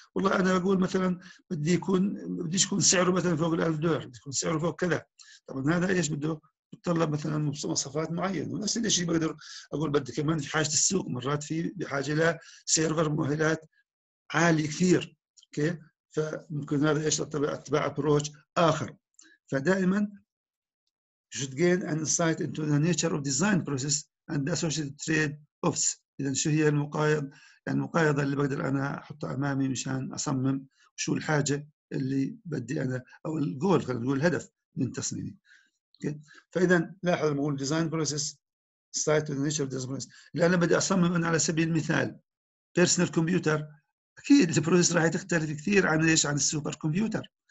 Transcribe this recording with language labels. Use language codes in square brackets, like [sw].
[ar] والله أنا بقول مثلا بدي يكون بديش يكون سعره مثلا فوق الألف دولار. بدي يكون سعره فوق كذا. طبعا هذا إيش بده؟ بتطلب مثلا مواصفات معينة. ونفس الشيء بقدر أقول بدي كمان في حاجة السوق مرات في بحاجة إلى سيرفر مؤهلات عالي كثير. أوكي؟ فممكن هذا إيش أتبع أبروتش آخر. [en] فدائما you should gain an insight into the nature of design process and the associated trade-offs. [ar] إذا شو هي المقايض المقايضة اللي بقدر أنا أحطها أمامي مشان أصمم شو الحاجة اللي بدي أنا أو الجول خلينا نقول الهدف من تصميمي. [en] Okay. [ar] فإذا لاحظ لما أقول design process [en] insight into the nature of design process [ar] اللي أنا بدي أصمم أنا على سبيل المثال personal computer أكيد البروسيس راح تختلف كثير عن إيش عن السوبر كمبيوتر.